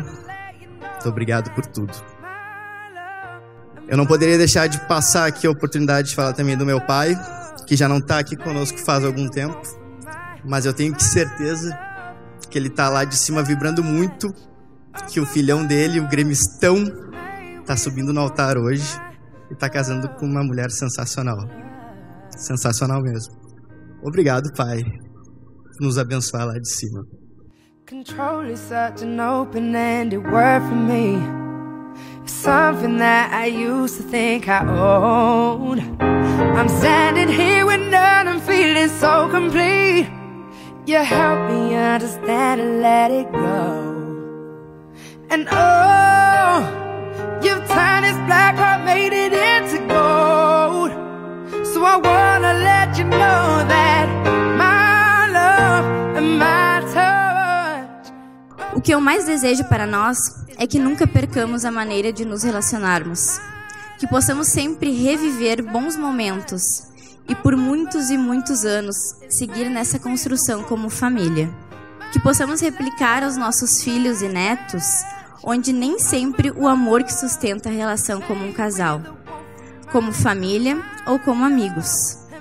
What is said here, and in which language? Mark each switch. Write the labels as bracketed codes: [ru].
[pt] Muito obrigado por tudo. Eu não poderia deixar de passar aqui a oportunidade de falar também do meu pai, que já não tá aqui conosco faz algum tempo, mas eu tenho certeza que ele tá lá de cima vibrando muito, que o filhão dele, o Grêmistão, tá subindo no altar hoje e tá casando com uma mulher sensacional. Sensacional mesmo. Obrigado, pai, por nos abençoar lá de cima. [en] Control is such an open-ended word for me. Something that I used to think I owned. I'm standing here with none, I'm feeling so complete. You help me understand and let it go. And oh, you've turned this black heart, made it into gold. So I wanna let you know that my love and my touch. [pt] O que eu mais desejo para nós é que nunca percamos a maneira de nos relacionarmos. Que possamos sempre reviver bons momentos. E por muitos e muitos anos, seguir nessa construção como família. Que possamos replicar aos nossos filhos e netos, onde nem sempre o amor que sustenta a relação como um casal, como família ou como amigos.